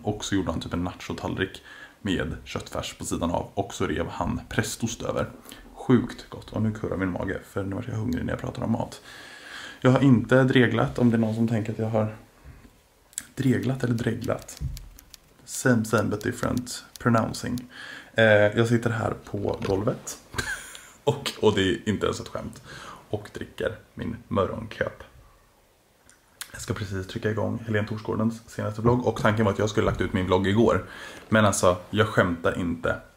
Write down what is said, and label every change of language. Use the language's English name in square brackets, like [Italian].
[Swedish] Och så gjorde han typ en nachotallrik med köttfärs på sidan av. Och så rev han prästost över. Sjukt gott. Och nu kurrar min mage. För nu är jag hungrig när jag pratar om mat. Jag har inte dreglat. Om det är någon som tänker att jag har dreglat eller dreglat. [English] Same, same but different pronouncing. [Swedish] Jag sitter här på golvet. Och det är inte ens ett skämt. Och dricker min morgonköp. Jag ska precis trycka igång Helene Torsgårdens senaste vlogg. Och tanken var att jag skulle lagt ut min vlogg igår. Men alltså, jag skämtar inte.